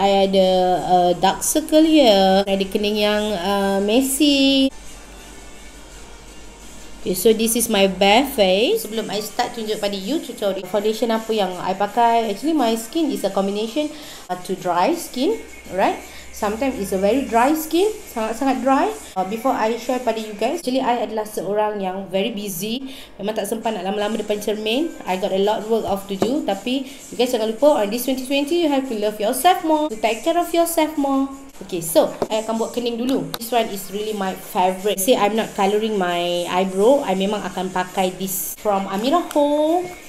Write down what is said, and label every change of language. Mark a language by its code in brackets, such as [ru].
[en] I [ms] ada [en] dark circle here. I [ms] ada kening yang [en] messy. Okay, so this is my bare face. [ms] Sebelum [en] I start [ms] tunjuk pada [en] you tutorial foundation [ms] apa yang [en] I [ms] pakai. [en] Actually, my skin is a combination to dry skin, right? Sometimes it's a very dry skin, [ms] sangat-sangat [en] dry. Before I share [ms] pada [en] you guys, actually I [ms] adalah seorang yang [en] very busy. [ms] Memang tak sempat nak lama-lama depan cermin. [en] I got a lot of work off to do. [ms] Tapi [en] you guys [ms] jangan lupa, [en] on this 2020, you have to love yourself more, to take care of yourself more. Okay, so I [ms] akan buat kening dulu. [en] This one is really my favorite. See, I'm not coloring my eyebrow. I [ms] memang akan pakai [en] this from Amira Home.